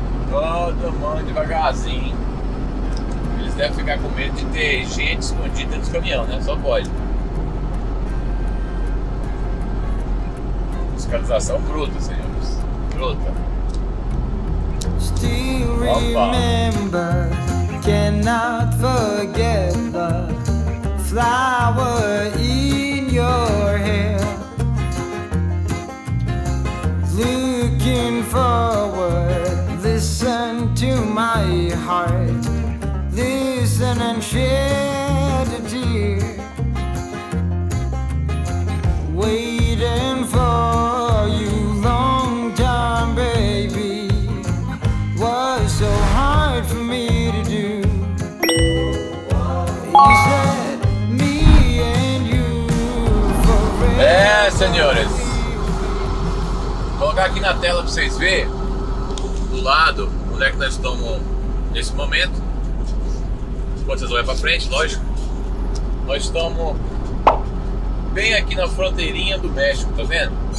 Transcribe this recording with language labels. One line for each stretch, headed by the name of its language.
Portuguese: Todo mundo devagarzinho. Eles devem ficar com medo de ter gente escondida dentro do caminhão, né? Só pode. Fiscalização bruta, senhores. Bruta.
English: Still remember, cannot forget the flower in your hair. Looking forward. Listen to my heart, listen and shed a tear. Waiting for you long time, baby, was so hard for me to do. You said me and you forever.
Portuguese: É, senhores, vou colocar aqui na tela pra vocês verem lado, onde é que nós estamos nesse momento. Quando vocês olham para frente, lógico, nós estamos bem aqui na fronteirinha do México, tá vendo?